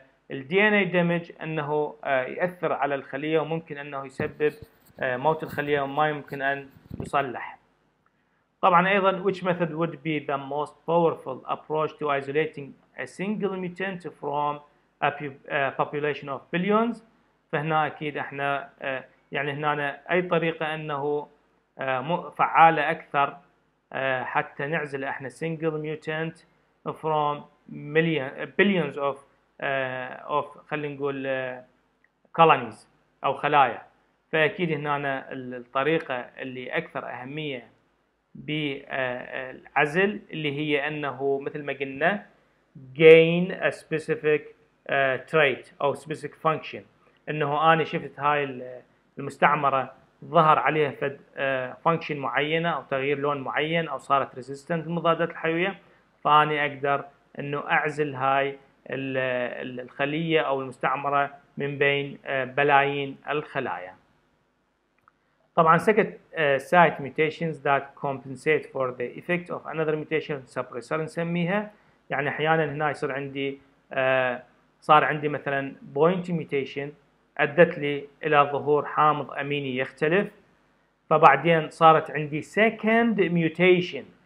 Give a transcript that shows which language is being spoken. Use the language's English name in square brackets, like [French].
[Arabic] والدي ان اي دامج انه ياثر على الخليه وممكن انه يسبب موت الخليه وما يمكن ان يصلح. طبعا ايضا [English] which method would be the most powerful approach to isolating a single mutant from a population of billions. [Arabic] فهنا اكيد احنا يعني هنا اي طريقه انه فعاله اكثر حتى نعزل احنا [English] single mutant from million billions of of [Arabic] خلينا نقول colonies او خلايا. فاكيد هنا الطريقه اللي اكثر اهميه بالعزل اللي هي انه مثل ما قلنا [English] gain a specific [Arabic] trait او [English] specific function، [Arabic] انه انا شفت هاي المستعمره ظهر عليها فد function معينه او تغيير لون معين او صارت resistant للمضادات الحيويه، فاني اقدر انه اعزل هاي الخليه او المستعمره من بين بلايين الخلايا. طبعا [English] second site mutations that compensate for the effect of another mutation suppressor [Arabic] نسميها. يعني احيانا هنا يصير عندي صار عندي مثلا point mutation ادت لي الى ظهور حامض اميني يختلف، فبعدين صارت عندي second mutation.